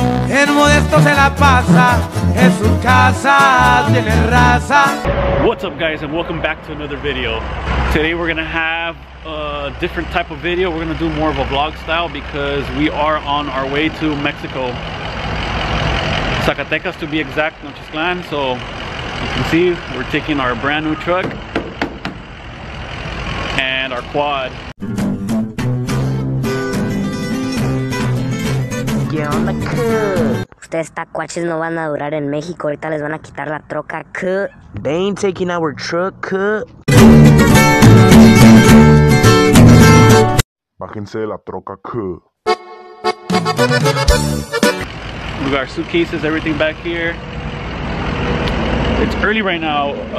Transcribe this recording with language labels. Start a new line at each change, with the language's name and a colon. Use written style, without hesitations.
Spanish: En modesto se la pasa, en su casa tiene raza.
English: What's up, guys, and welcome back to another video. Today we're gonna have a different type of video. We're gonna do more of a vlog style because we are on our way to Mexico, Zacatecas to be exact, Nochistlan. So you can see we're taking our brand new truck and our quad.
Spanish: ¿Qué onda, crew? Ustedes tacuaches no van a durar en México. Ahorita les van a quitar la troca, crew.
English: They ain't taking our truck, crew.
Spanish: Bájense de la troca, crew.
English: We got our suitcases, everything back here. It's early right now.